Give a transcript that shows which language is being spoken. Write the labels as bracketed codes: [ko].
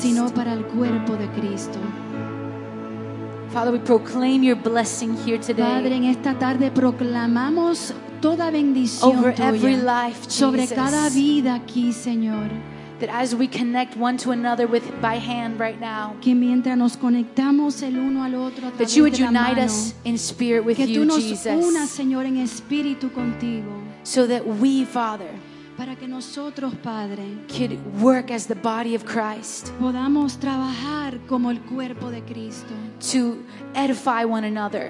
[es] sino para el cuerpo de Cristo. [en] Father, we proclaim your blessing here today. [es] Padre, en esta tarde proclamamos toda bendición [en] over [es] tuya, [en] every life, Jesus, [es] sobre cada vida aquí, Señor. [en] That as we connect one to another with by hand right now, [es] que mientras nos conectamos el uno al otro, [en] that you would unite us in spirit with you, [es] nos [en] Jesus. [es] Una, Señor, en espíritu contigo. [en] So that we, Father, [es] para que nosotros, Padre, [en] could work as the body of Christ, [es] podamos trabajar como el cuerpo de Cristo, [en] to edify one another,